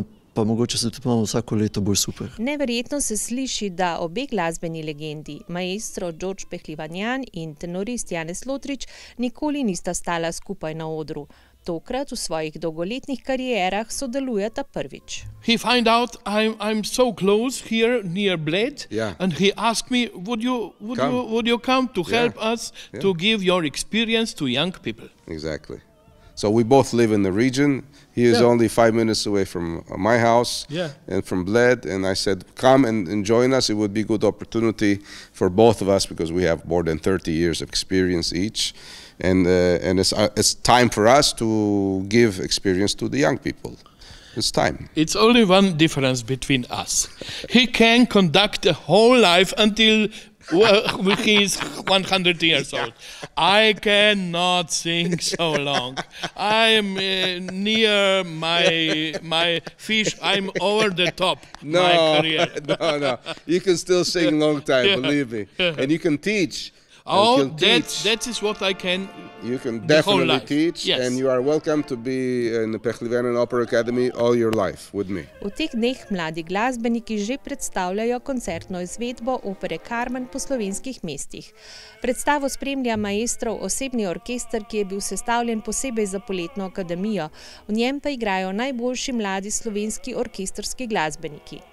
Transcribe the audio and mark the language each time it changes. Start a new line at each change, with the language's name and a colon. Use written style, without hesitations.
Slovenian: Pa mogoče se tudi imamo vsako leto bolj super. Neverjetno se sliši, da obe glasbeni legendi, maestro George Pehlivanjan in tenorist Janez Lotrič, nikoli nista stala skupaj na odru. Tokrat v svojih dolgoletnih karierah sodelujeta prvič.
English: He find out I'm so close here near Bled, yeah. And he asked me would you come to help, yeah, us, yeah, to give your experience to young people. Exactly. So we both live in the region. He is, yeah, only 5 minutes away from my house, yeah, and from Bled, and I said, come and join us. It would be a good opportunity for both of us because we have more than 30 years of experience each, and it's time for us to give experience to the young people. It's time. It's only one difference between us. He can conduct a whole life until he's 100 years old. I cannot sing so long. I'm near my fish. I'm over the top. No, my career. No. You can still sing long time, yeah, believe me. Yeah. And you can teach. Oh, that is what I can. You can definitely teach, yes, and you are welcome to be in the Pehlivanjan Opera Academy all your life with me.
Slovenian: V teh dneh mladi glasbeniki že predstavljajo koncertno izvedbo opere Carmen po slovenskih mestih. Predstavo spremlja maestrov osebni orkester, ki je bil sestavljen posebej za poletno akademijo. V njem pa igrajo najboljši mladi slovenski orkestrski glasbeniki.